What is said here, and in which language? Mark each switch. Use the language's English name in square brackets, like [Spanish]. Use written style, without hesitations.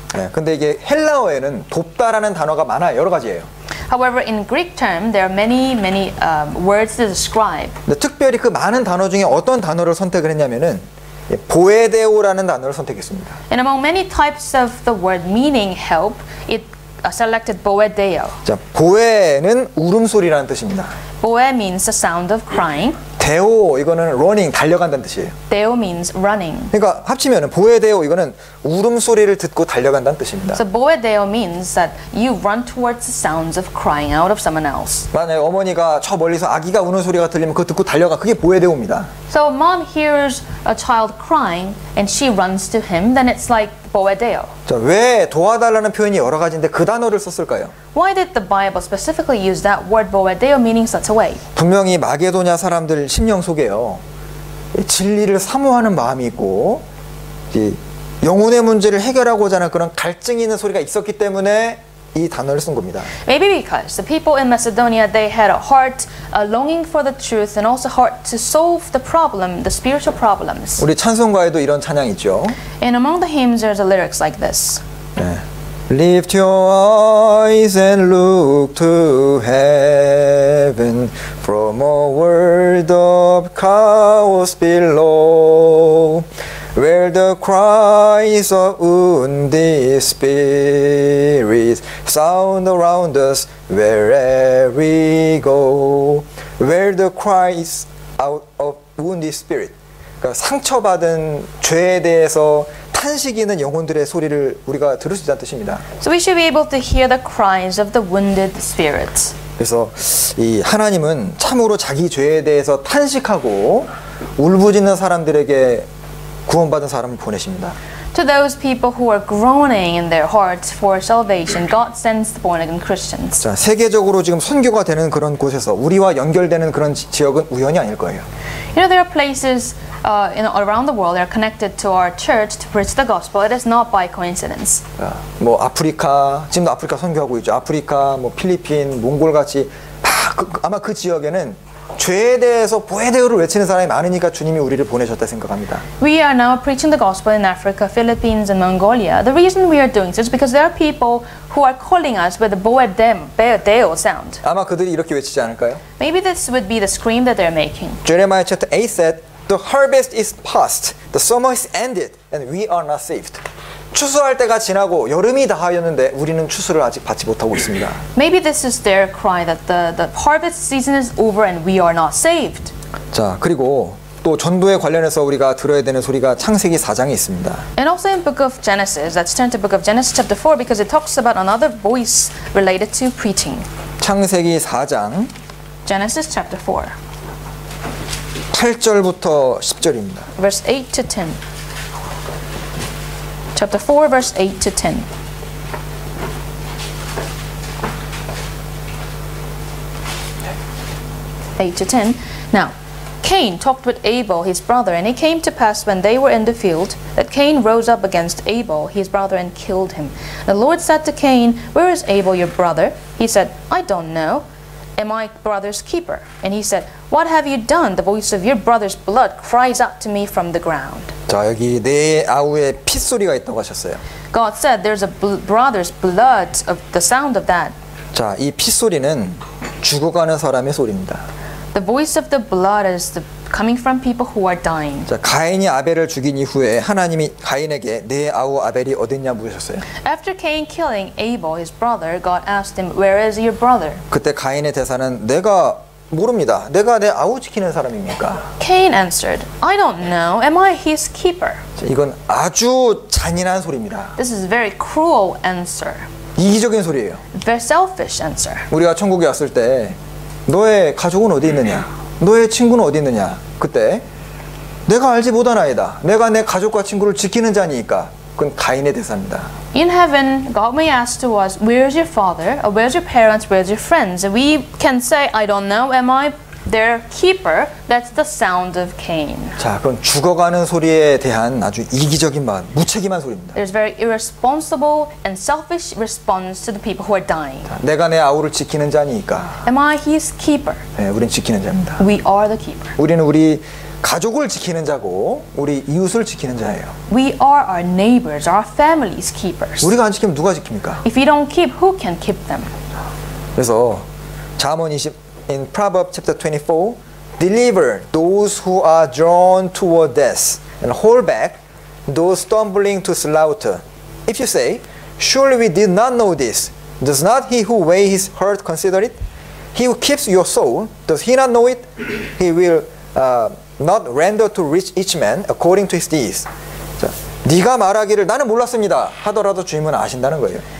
[Korean] 네, 근데 이게 헬라어에는 돕다라는 단어가 많아요, 여러 가지예요. [English] However, in Greek term, there are many, many words to describe. [Korean] 근데 특별히 그 많은 단어 중에 어떤 단어를 선택을 했냐면은 보에데오라는 단어를 선택했습니다. [English] And among many types of the word meaning help, it selected boedeo. [Korean] 자, 보에는 울음소리라는 뜻입니다. [English] Boe means the sound of crying. [Korean] 데오 이거는 running 달려간다는 뜻이에요. [English] Deo means running. [Korean] 그러니까 합치면은 보에데오 이거는 울음소리를 듣고 달려간다는 뜻입니다. [English] So boedeo means that you run towards the sounds of crying out of someone else. [Korean] 만약 어머니가 저 멀리서 아기가 우는 소리가 들리면 그거 듣고 달려가 그게 보에데오입니다. [English] So a mom hears a child crying and she runs to him, then it's like boedeo. [Korean] 자, 왜 도와달라는 표현이 여러 가지인데 그 단어를 썼을까요? [English] Why did the Bible specifically use that word boedeo, meaning such a way? [Korean] 분명히 마게도냐 사람들 심령 속에요 진리를 사모하는 마음이 있고 영혼의 문제를 해결하고자 하는 그런 갈증이 있는 소리가 있었기 때문에 이 단어를 쓴 겁니다. [English] Maybe because the people in Macedonia they had a heart a longing for the truth and also heart to solve the problem, the spiritual problems. [Korean] 우리 찬송가에도 이런 찬양 있죠. [English] And among the hymns there's a lyrics like this. [Korean] 네. [English] Lift your eyes and look to heaven from a world of chaos below where the cries of wounded spirits sound around us wherever we go where the cries out of wounded spirit [Korean] 그러니까 상처받은 죄에 대해서 탄식이 있는 영혼들의 소리를 우리가 들을 수 있다는 뜻입니다. [English] So we should be able to hear the cries of the wounded spirits. [Korean] 그래서 이 하나님은 참으로 자기 죄에 대해서 탄식하고 울부짖는 사람들에게 구원받은 사람을 보내십니다. [English] To those people who are groaning in their hearts for salvation, God sends the born again Christians. 자, 세계적으로 지금 선교가 되는 그런 곳에서 우리와 연결되는 그런 지역은 우연이 아닐 거예요. You know, there are places around the world that are connected to our church to preach the gospel. It is not by coincidence. [Korean] 뭐 아프리카, 지금도 아프리카 선교하고 있죠. 아프리카, 뭐 필리핀, 몽골 같이 아마 그 지역에는 죄에 대해서 보혜대우를 외치는 사람이 많으니까 주님이 우리를 보내셨다 생각합니다. [English] We are now preaching the gospel in Africa, Philippines, and Mongolia. The reason we are doing this is because there are people who are calling us with a boedeo sound. [Korean] 아마 그들이 이렇게 외치지 않을까요? [English] Maybe this would be the scream that they're making. Jeremiah chapter 8 said, "The harvest is past, the summer is ended, and we are not saved." [Korean] 추수할 때가 지나고 여름이 다하였는데 우리는 추수를 아직 받지 못하고 있습니다. [English] Maybe this is their cry that the harvest season is over and we are not saved. [Korean] 자, 그리고 또 전도에 관련해서 우리가 들어야 되는 소리가 창세기 4장에 있습니다. [English] And also in book of Genesis, let's turn to book of Genesis chapter 4 because it talks about another voice related to preaching. [Korean] 창세기 4장 [English] Genesis chapter 4 [Korean] 8절부터 10절입니다. [English] Verse 8 to 10. Chapter 4, verse 8 to 10. 8 to 10. Now, Cain talked with Abel, his brother, and it came to pass when they were in the field that Cain rose up against Abel, his brother, and killed him. The Lord said to Cain, "Where is Abel, your brother?" He said, "I don't know. Am I brother's keeper?" And he said, "What have you done? The voice of your brother's blood cries out to me from the ground." [Korean] 자, 여기 네 아우의 피소리가 있다고 하셨어요. [English] God said there's a brother's blood of the sound of that. [Korean] 자, 이 피소리는 죽어가는 사람의 소리입니다. [English] The voice of the blood is coming from people who are dying. [Korean] 자, 가인이 아벨을 죽인 이후에 하나님이 가인에게 네 아우 아벨이 어딨냐 물으셨어요. [English] After Cain killing Abel, his brother, God asked him, "Where is your brother?" [Korean] 그때 가인의 대사는 내가 모릅니다. 내가 내 아우 지키는 사람입니까? [English] Cain answered, "I don't know. Am I his keeper?" [Korean] 이건 아주 잔인한 소리입니다. [English] This is a very cruel answer. [Korean] 이기적인 소리예요. [English] Very selfish answer. [Korean] 우리가 천국에 왔을 때 너의 가족은 어디 있느냐? 너의 친구는 어디 있느냐? 그때 내가 알지 못한 아이다. 내가 내 가족과 친구를 지키는 자니까. 그건 가인의 대사입니다. [English] In heaven, God may ask to us, "Where's your father? Where's your parents? Where's your friends?" We can say, "I don't know. Am I their keeper?" That's the sound of Cain. [Korean] 자, 그건 죽어가는 소리에 대한 아주 이기적인 마음, 무책임한 소리입니다. [English] There's very irresponsible and selfish response to the people who are dying. [Korean] 자, 내가 내 아우를 지키는 자니까. [English] Am I his keeper? [Korean] 네, 우리는 지키는 자입니다. [English] We are the keeper. [Korean] 우리는 우리 가족을 지키는 자고 우리 이웃을 지키는 자예요. [English] We are our neighbors, our family's keepers. [Korean] 우리가 안 지키면 누가 지킵니까? [English] If we don't keep, who can keep them? [Korean] 그래서 잠언 [English] 20 in Proverbs chapter 24 deliver those who are drawn toward death and hold back those stumbling to slaughter. If you say, surely we did not know this, does not he who weighs his heart consider it? He who keeps your soul, does he not know it? He will not render to rich each man according to his deeds. [Korean] 자, 네가 말하기를 나는 몰랐습니다 하더라도 주님은 아신다는 거예요.